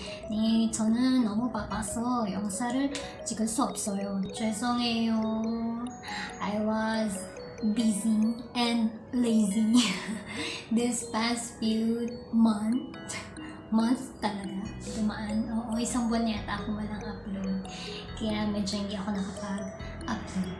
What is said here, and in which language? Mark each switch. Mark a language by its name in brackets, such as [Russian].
[Korean] 네, 저는 너무 바빠서 영사를 찍을 수 없어요. 죄송해요. [English] I was busy and lazy this past few months [Filipino] talaga. Dumaan. Oo, isang buwan yata ako walang upload. Kaya medyo hindi ako nakapag-upload.